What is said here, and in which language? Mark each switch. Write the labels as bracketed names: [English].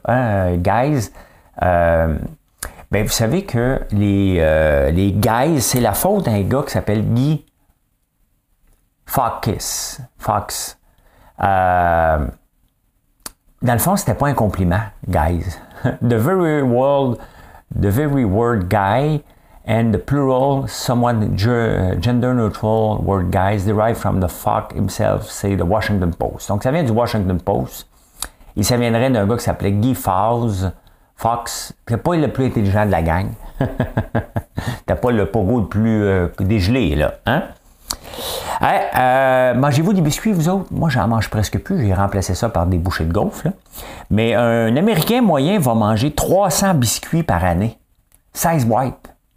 [French] Hein, guys. Ben, vous savez que les guys, c'est la faute d'un gars qui s'appelle Guy Fox. Dans le fond, c'était pas un compliment, guys. [English] The very word guy and the plural somewhat gender neutral word guys derived from the Fox himself, say the Washington Post. [French] Donc ça vient du Washington Post. Et ça viendrait d'un gars qui s'appelait Guy Fox, t'es pas le plus intelligent de la gang. T'as pas le pogo le plus dégelé, là. Hein? Hey, mangez-vous des biscuits, vous autres? Moi, j'en mange presque plus. J'ai remplacé ça par des bouchées de gaufres. Mais un Américain moyen va manger 300 biscuits par année. 16 boîtes.